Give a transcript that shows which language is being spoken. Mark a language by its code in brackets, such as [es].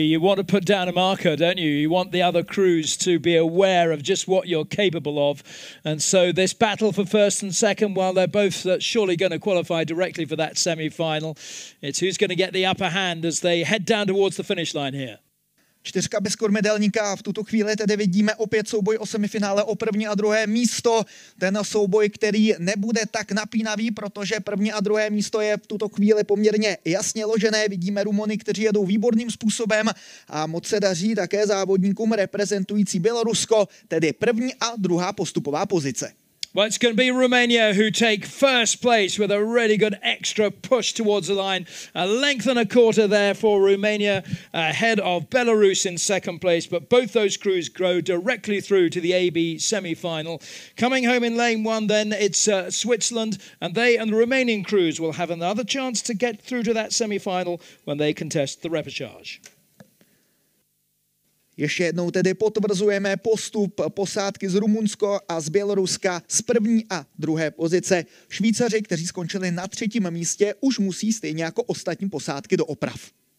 [en] You want to put down a marker, don't you? You want the other crews to be aware of just what you're capable of. And so this battle for first and second, while they're both surely going to qualify directly for that semi-final, it's who's going to get the upper hand as they head down towards the finish line here. [cs] Čtyřka bez kormidelníka. V tuto chvíli tedy vidíme opět souboj o semifinále o první a druhé místo. Ten souboj, který nebude tak napínavý, protože první a druhé místo je v tuto chvíli poměrně jasně ložené. Vidíme Rumuny, kteří jedou výborným způsobem a moc se daří také závodníkům reprezentující Bělorusko, tedy první a druhá postupová pozice. [en] Well, it's going to be Romania who take first place with a really good extra push towards the line. A length and a quarter there for Romania ahead of Belarus in second place. But both those crews go directly through to the AB semi-final. Coming home in lane one then, it's Switzerland. And they and the remaining crews will have another chance to get through to that semi-final when they contest the repechage. [cs] Ještě jednou tedy potvrzujeme postup posádky z Rumunska a z Běloruska z první a druhé pozice. Švýcaři, kteří skončili na třetím místě, už musí stejně jako ostatní posádky do oprav.